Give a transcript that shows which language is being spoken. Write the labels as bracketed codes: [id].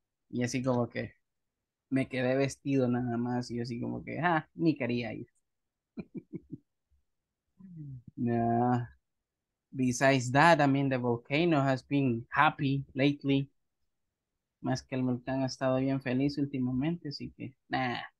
[es] Y así como que me quedé vestido nada más. Y así como que, ah, ni quería ir. Nah. [en] Besides that, I mean, the volcano has been happy lately. [es] Más que el volcán ha estado bien feliz últimamente, así que, nah.